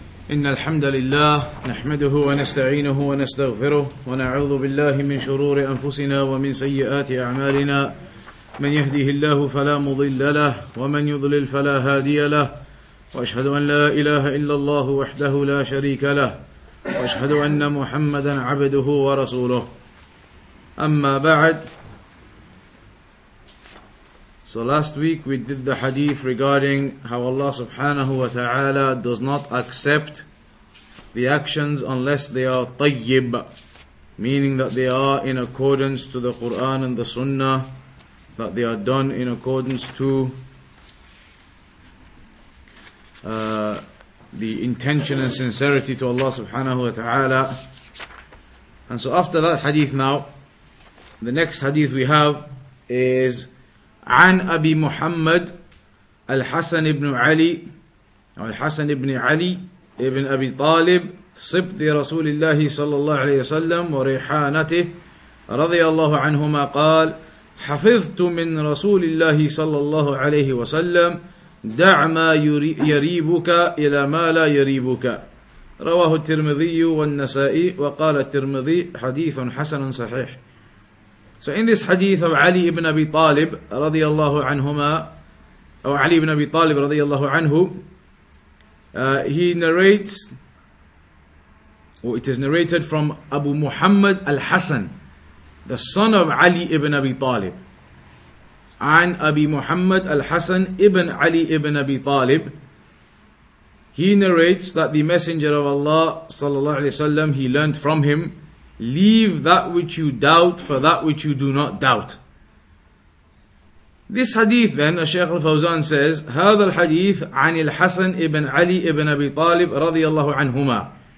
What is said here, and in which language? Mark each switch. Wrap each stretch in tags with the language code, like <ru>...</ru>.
<ar>إن الحمد لله نحمده ونستعينه ونستغفره ونعوذ بالله من شرور أنفسنا ومن سيئات أعمالنا من يهده الله فلا مضل له ومن يضلل فلا هادي له وأشهد أن لا إله إلا الله وحده لا شريك له وأشهد أن محمدا عبده ورسوله أما بعد.</ar> <en>So last week we did the hadith regarding how Allah subhanahu wa ta'ala does not accept the actions unless they are tayyib, meaning that they are in accordance to the Qur'an and the sunnah, that they are done in accordance to the intention and sincerity to Allah subhanahu wa ta'ala. And so after that hadith now, the next hadith we have is</en> <ar>عن أبي محمد الحسن بن علي الحسن بن علي ابن أبي طالب صبت رسول الله صلى الله عليه وسلم وريحانته رضي الله عنهما قال حفظت من رسول الله صلى الله عليه وسلم دع ما يريبك إلى ما لا يريبك رواه الترمذي والنسائي وقال الترمذي حديث حسن صحيح.</ar> <en>So in this hadith of Ali ibn Abi Talib radiyallahu anhuma, or Ali ibn Abi Talib radiyallahu anhu, he narrates, or it is narrated from Abu Muhammad al-Hasan, the son of Ali ibn Abi Talib, an Abi Muhammad al-Hasan ibn Ali ibn Abi Talib, he narrates that the Messenger of Allah sallallahu alayhi wasallam, he learned from him, leave that which you doubt for that which you do not doubt. This hadith then, Shaykh al-Fawzan says,</en> <ar>هذا الحديث عن الحسن ابن علي ابن أبي طالب رضي الله عنهما.</ar>